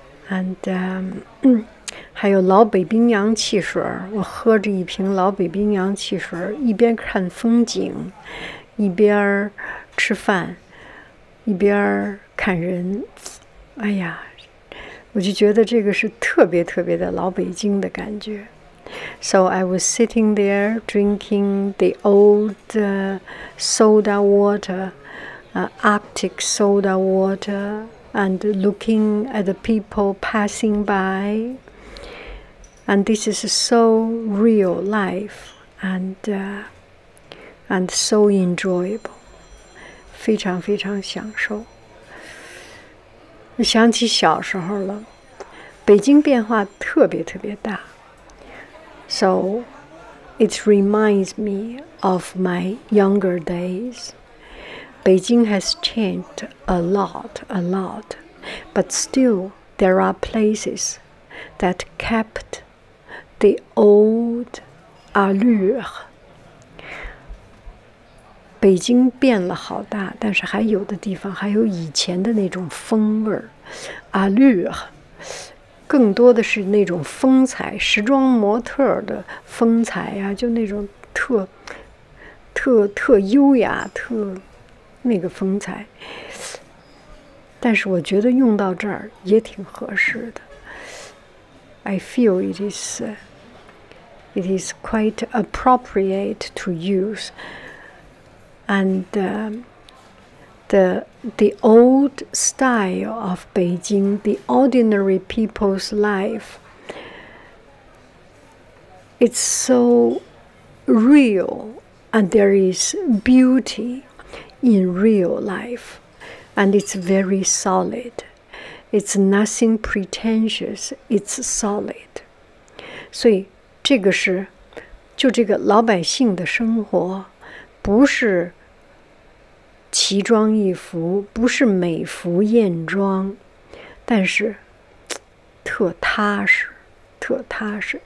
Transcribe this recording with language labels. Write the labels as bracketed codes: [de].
[zh] And 还有老北冰洋汽水，我喝着一瓶老北冰洋汽水，一边看风景，一边吃饭，一边看人。哎呀，我就觉得这个是特别特别的老北京的感觉。 [en] So I was sitting there drinking the old soda water, Arctic soda water, and looking at the people passing by. And this is so real life and so enjoyable. [zh] 非常非常享受。想起小时候了，北京变化特别特别大。 [en] So it reminds me of my younger days. Beijing has changed a lot. But still, there are places that kept the old allure. [zh] 北京变了好大，但是还有的地方还有以前的那种风味儿。 Allure 更多的是那种风采，时装模特的风采啊，就那种特优雅，特那个风采。但是我觉得用到这儿也挺合适的。 [en] I feel it is quite appropriate to use. And The old style of Beijing, the ordinary people's life, it's so real, and there is beauty in real life, and it's very solid. It's nothing pretentious, it's solid. [zh] 所以这个是，就这个老百姓的生活，不是奇装异服，不是美服艳装，但是特踏实，特踏实。